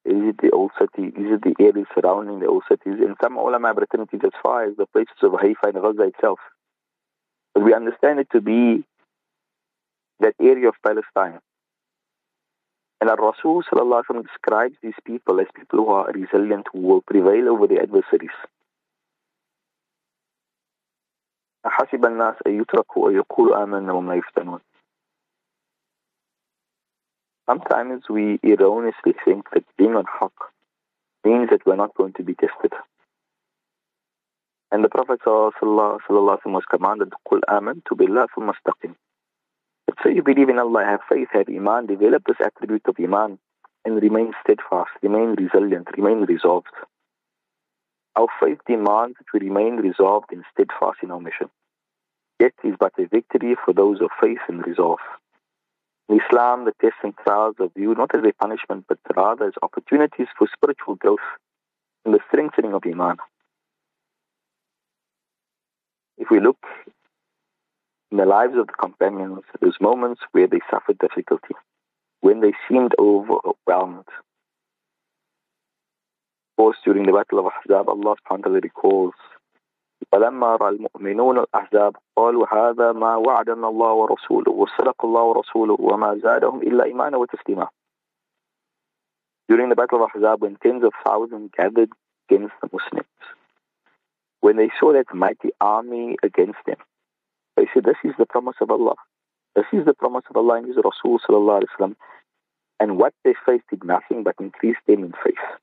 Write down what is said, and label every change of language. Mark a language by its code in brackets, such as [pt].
[en] Is it the old city? Is it the area surrounding the old cities? And some ulama have written it as far as the places of Haifa and Gaza itself. But we understand it to be that area of Palestine. And Al-Rasul sallallahu alayhi wa sallam describes these people as people who are resilient, who will prevail over the adversaries. [ar] أحسب الناس أن يتركوا أن يقولوا آمنا وهم لا يفتنون. [en] Sometimes we erroneously think that being on haq means that we're not going to be tested. And the Prophet sallallahu alaihi wasallam was commanded to [ar] قل آمن [en] to [ar] بالله ثم استقم. [en] Let's say you believe in Allah, have faith, have iman, develop this attribute of iman, and remain steadfast, remain resilient, remain resolved. Our faith demands that we remain resolved and steadfast in our mission. Yet it is but a victory for those of faith and resolve. In Islam, the tests and trials are viewed not as a punishment, but rather as opportunities for spiritual growth and the strengthening of Iman. If we look in the lives of the companions, there's moments where they suffered difficulty, when they seemed overwhelmed. Of course, during the Battle of Ahzab, Allah fondly recalls, [ar] فَلَمَّا رَى الْمُؤْمِنُونَ الْأَحْزَابَ قَالُوا هَذَا مَا وَعَدَنَا اللَّهُ وَرَسُولُهُ وَصَدَقَ اللَّهُ وَرَسُولُهُ وَمَا زَادَهُمْ إِلَّا إِيمَانًا وَتَسْلِيمًا. [en] During the Battle of Ahzab, when tens of thousands gathered against the Muslims, when they saw that mighty army against them, they said, this is the promise of Allah. This is the promise of Allah and His Rasul sallallahu alayhi wa sallam. And what they faced did nothing but increase them in faith.